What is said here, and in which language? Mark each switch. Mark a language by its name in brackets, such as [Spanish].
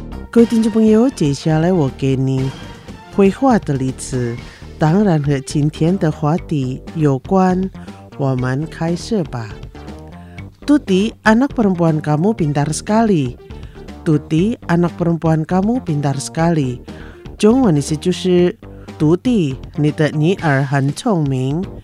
[Chinese] 各位听众朋友，接下来我给你绘画的例子，当然和今天的话题有关。我们开始吧。 [Indonesian] Tuti, anak perempuan kamu pintar sekali. Tuti, anak perempuan kamu pintar sekali. [Chinese] 中文意思就是 Tuti, 你的女儿很聪明。